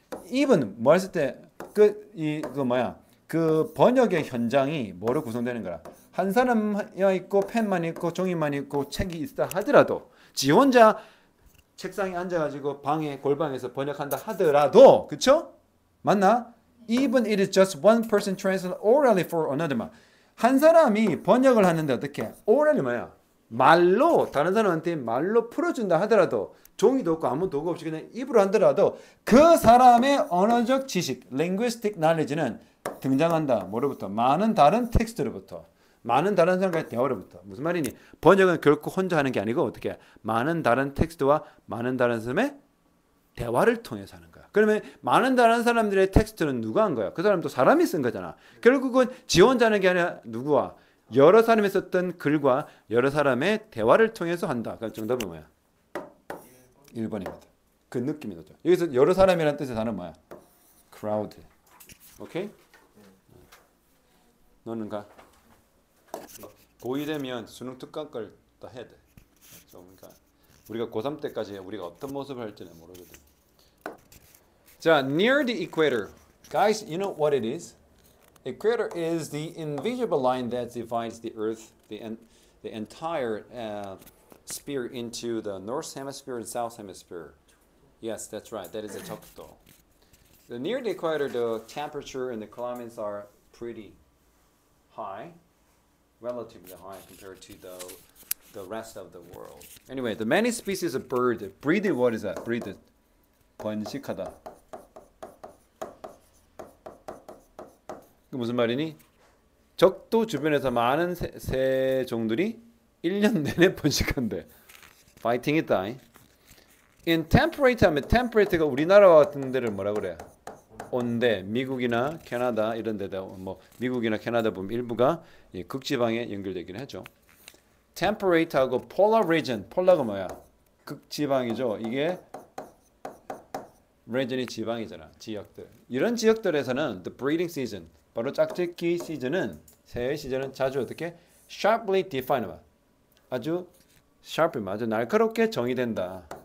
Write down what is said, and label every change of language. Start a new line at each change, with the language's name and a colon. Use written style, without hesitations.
Korean: 이분 뭐 했을 때 그 이 그 뭐야 그 번역의 현장이 뭐로 구성되는 거라. 한 사람이 있고 펜만 있고 종이만 있고 책이 있다 하더라도 지 혼자 책상에 앉아가지고 방에 골방에서 번역한다 하더라도 그쵸? 맞나?
English: Even it is just one person translating orally for another.
Korean: 한 사람이 번역을 하는데 어떻게? Orally 뭐야? 말로 다른 사람한테 말로 풀어준다 하더라도 종이도 없고 아무 도구 없이 그냥 입으로 하더라도 그 사람의 언어적 지식,
English: linguistic knowledge
Korean: 는 등장한다. 뭐로부터? 많은 다른 텍스트로부터. 많은 다른 사람과의 대화로부터. 무슨 말이니? 번역은 결코 혼자 하는 게 아니고 어떻게? 많은 다른 텍스트와 많은 다른 사람의 대화를 통해서 하는 거야. 그러면 많은 다른 사람들의 텍스트는 누가 한 거야? 그 사람도 사람이 쓴 거잖아. 결국은 지원자는 게 아니라 누구와? 여러 사람이 썼던 글과 여러 사람의 대화를 통해서 한다. 그럼 정답은 뭐야? 1번입니다. 그 느낌이 나죠. 여기서 여러 사람이라는 뜻의 단어는 뭐야?
English: Crowd. 오케이?
Korean: 너는 가. 고2 되면 수능 특강 걸 다 해야 돼. 그러니까 우리가 고3 때까지 우리가 어떤 모습을 할지는 모르거든.
English: 자, near the equator. Guys, you know what it is? Equator is the invisible line that divides the Earth, the entire sphere into the North Hemisphere and South Hemisphere. Yes, that's right. That is the 적도. So near the equator, the temperature and the climates are pretty high. Relatively high compared to the rest of the world. Anyway, the many species of bird breed. What is that? Breed. 번식하다.
Korean: 그 무슨 말이니? 적도 주변에서 많은 새종들이 1년 내내 번식한대.
English: Fighting it, die. In temperate,
Korean: 하면 temperate가 우리나라와 같은 데를 뭐라 그래? 온대, 미국이나 캐나다 이런 데다 뭐 미국이나 캐나다 보면 일부가 예, 극지방에 연결되긴 하죠. Temperate하고 polar region, polar가 뭐야? 극지방이죠. 이게 region이 지방이잖아, 지역들. 이런 지역들에서는
English: the breeding season,
Korean: 바로 짝짓기 시즌은 새해 시즌은 자주 어떻게
English: sharply defined,
Korean: 아주 sharply, 아주 날카롭게 정의된다.